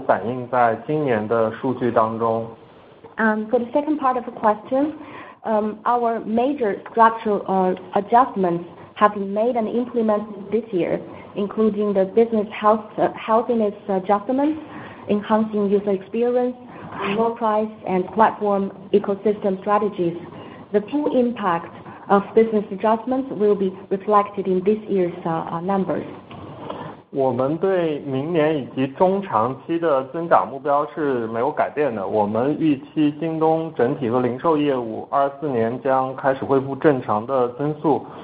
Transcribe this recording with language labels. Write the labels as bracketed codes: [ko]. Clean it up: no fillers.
[zh] 大的结构性的调整的决策今年都已经做出来并且开始执行了，那包括调整业务的健康度、强化用户体验，然后低价以及平台生态，那业务健康度的影响会全部反映在今年的数据当中。 [en] For the second part of the question, our major structural adjustments have been made and implemented this year, including the business healthiness adjustments, enhancing user experience, low price, and platform ecosystem strategies. The full impact of business adjustments will be reflected in this year's numbers. [zh] 我们对明年以及中长期的增长目标是没有改变的，我们预期京东整体和零售业务24年将开始恢复正常的增速。